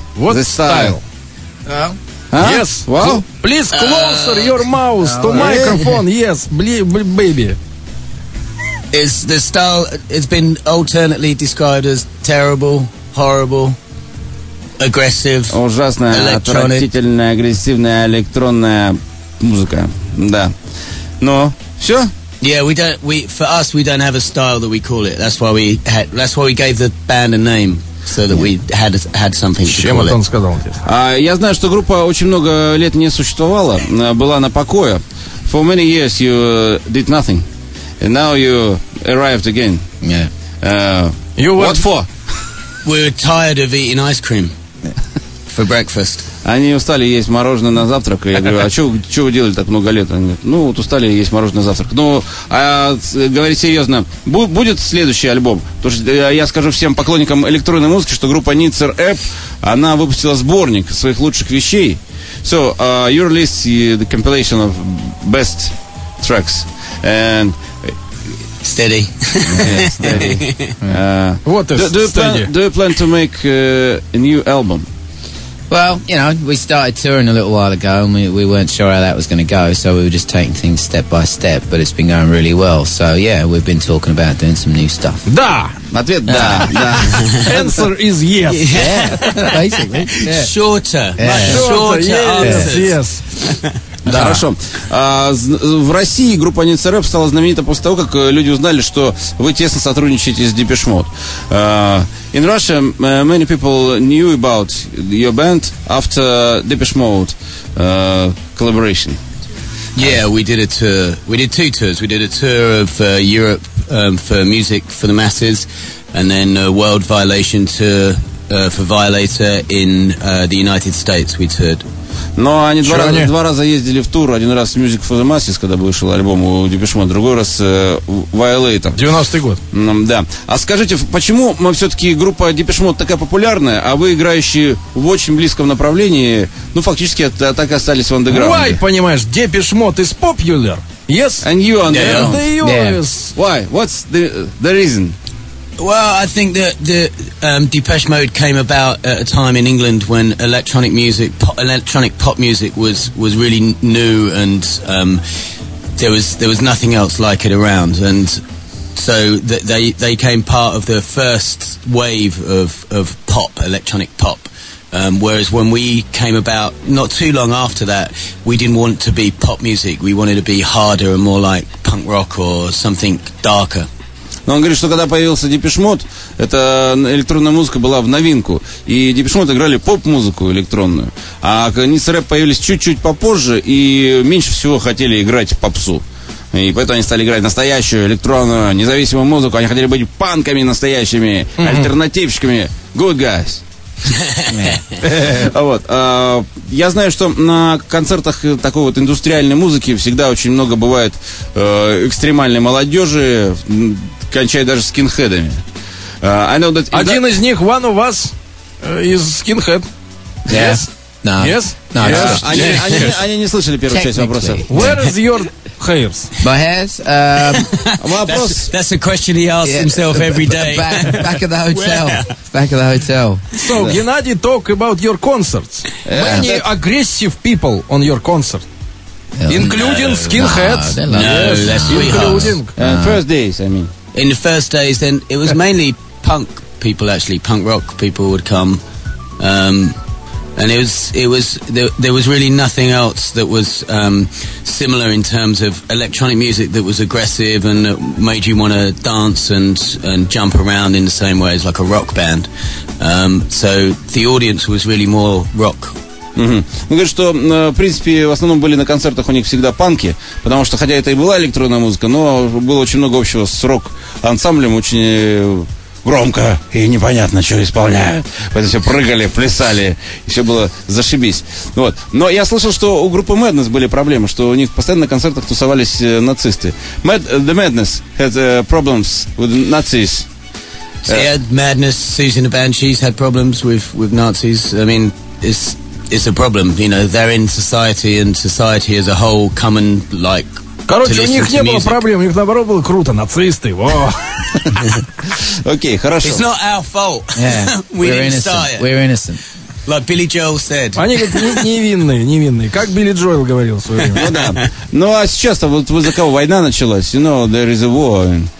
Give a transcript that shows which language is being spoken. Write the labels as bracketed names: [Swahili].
[English] What style? Yes. Well, please closer your mouth to microphone. Yes, baby. Is the style? It's been alternately described as terrible, horrible, aggressive, [Russian] ужасная, отвратительная, агрессивная электронная музыка. Да. [English] No. Sure. Yeah, we don't have a style that we call it. That's why we gave the band a name so that we had something to call it. [Russian] Я знаю, что группа очень много лет не существовала, была на покое. [English] For many years you did nothing. And now you arrived again. Yeah. What for? We were tired of eating ice cream. For breakfast. [Russian] Они устали есть мороженое на завтрак. Я говорю, а что вы делали так много лет? Они говорят, ну вот устали есть мороженое на завтрак. Ну, а говорить серьезно, будет следующий альбом? Потому что я скажу всем поклонникам электронной музыки, что группа Nitzer App, она выпустила сборник своих лучших вещей. [English] So, your list is the compilation of best tracks. And steady. What is steady? Do you plan to make a new album? Well, you know, we started touring a little while ago and we weren't sure how that was going to go, so we were just taking things step by step, but it's been going really well. So, yeah, we've been talking about doing some new stuff. [Russian] Да! Ответ да. [English] Answer is yes. Yeah, basically. Yeah. Shorter. Yeah. Shorter answers. Yes. [Russian] Да. Хорошо. В России группа Nitzer Rap стала знаменита после того, как люди узнали, что вы тесно сотрудничаете с Depeche Mode. [English] In Russia, many people knew about your band after Depeche Mode collaboration. Yeah, we did a tour. We did two tours. We did a tour of Europe for Music for the Masses, and then a World Violation tour for Violator in the United States. We toured. [Russian] Но они два раза ездили в тур. Один раз Music for the Masses, когда вышел альбом у Depeche Mode, другой раз Violator. 90-й год. Да. А скажите, почему мы все-таки группа Depeche Mode такая популярная, а вы, играющие в очень близком направлении, ну, фактически так и остались в андеграунде? [English] Why, [Russian] понимаешь, [English] Depeche Mode is popular? Yes? And you are. Why? What's the reason? Well, I think that the Depeche Mode came about at a time in England when electronic pop music was really new, and there was nothing else like it around, and so they came part of the first wave of pop, electronic pop. Whereas when we came about, not too long after that, we didn't want to be pop music. We wanted to be harder and more like punk rock or something darker. [Russian] Но он говорит, что когда появился Depeche Mode, эта электронная музыка была в новинку. И Depeche Mode играли поп-музыку электронную. А Nitzer Rep появились чуть-чуть попозже и меньше всего хотели играть попсу. И поэтому они стали играть настоящую электронную независимую музыку. Они хотели быть панками настоящими, mm-hmm. альтернативщиками. [English] Good guys. [Russian] Вот. Я знаю, что на концертах такой вот индустриальной музыки всегда очень много бывает экстремальной молодежи, кончая даже скинхедами. Один из них, [English] one of us, [Russian] из скинхед. [English] Yes? No. Yes? No, yes. Они не слышали первую часть вопроса. Where is your hairs? My hairs? That's a question he asks himself every day. Back at the hotel. Back at the hotel. So, Геннадий, talk about your concerts. Many aggressive people on your concert. Including skinheads. No, that's sweethearts. First days, I mean. In the first days, then, it was mainly punk people, actually. Punk rock people would come. And there was really nothing else that was similar in terms of electronic music that was aggressive and that made you want to dance and jump around in the same way as like a rock band. So the audience was really more rock. Угу. [Russian] Он говорит, что, в принципе, в основном были на концертах у них всегда панки, потому что, хотя это и была электронная музыка, но было очень много общего с рок-ансамблем, очень громко и непонятно, что исполняют. Поэтому все прыгали, плясали, и все было зашибись. Вот. Но я слышал, что у группы Madness были проблемы, что у них постоянно на концертах тусовались нацисты. [English] The Madness had problems with Nazis. Yeah, Madness, Susan the Banshees had problems with Nazis. I mean, It's a problem, you know, they're in society and society as a whole come and like. [Russian] Короче, у них не было проблем, у них наоборот было круто, нацисты. Окей, хорошо. [English] It's not our fault. Yeah. We're innocent. Like Billy Joel said. [Russian] Они как невинные. Как Билли Джоэл говорил в свое время. Ну а сейчас-то вот вы за кого война началась? [English] You know, there is a war.